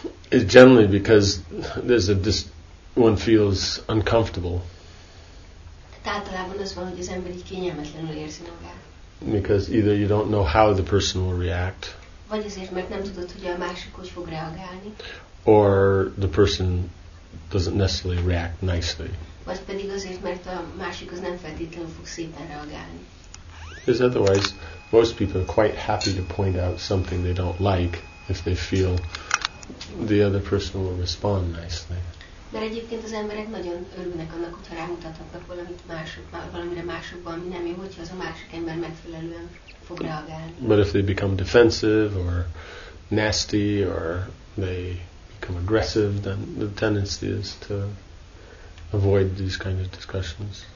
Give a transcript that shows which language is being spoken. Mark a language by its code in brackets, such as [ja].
[en] It's generally because there's a one feels uncomfortable. [hu] Általában az van, hogy az ember így kényelmetlenül érzi magát. [en] Because either you don't know how the person will react. [hu] Vagy azért, mert nem tudod, hogy a másik hogy fog reagálni. [en] Or the person doesn't necessarily react nicely. [hu] Vagy pedig azért, mert a másik az nem feltétlenül fog szépen reagálni. [en] Because otherwise, most people are quite happy to point out something they don't like if they feel the other person will respond nicely. [hu] Mert egyébként az emberek nagyon örülnek annak, hogyha rámutatnak valamit mások, valamire másokban, ami nem jó, hogyha az a másik ember megfelelően fog reagálni. [en] But if they become defensive or nasty or they become aggressive, then the tendency is to avoid these kind of discussions.